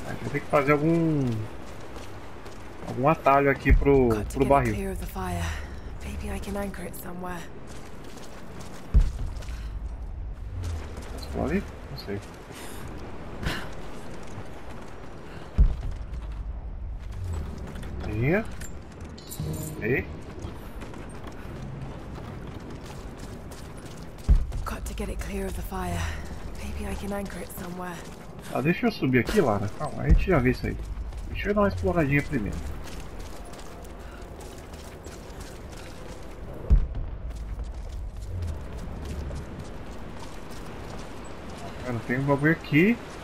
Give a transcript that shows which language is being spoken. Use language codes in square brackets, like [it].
[pt] Tem que fazer algum atalho aqui pro barril. [en] Maybe I can anchor it somewhere. [pt] Estou ali? Não sei. Linha. E? [en] Got to get it clear of the fire. Maybe I can anchor it somewhere. [pt] Ah, deixa eu subir aqui, Lara. Calma, a gente já vê isso aí. Deixa eu dar uma exploradinha primeiro. Cara, tem um bagulho aqui.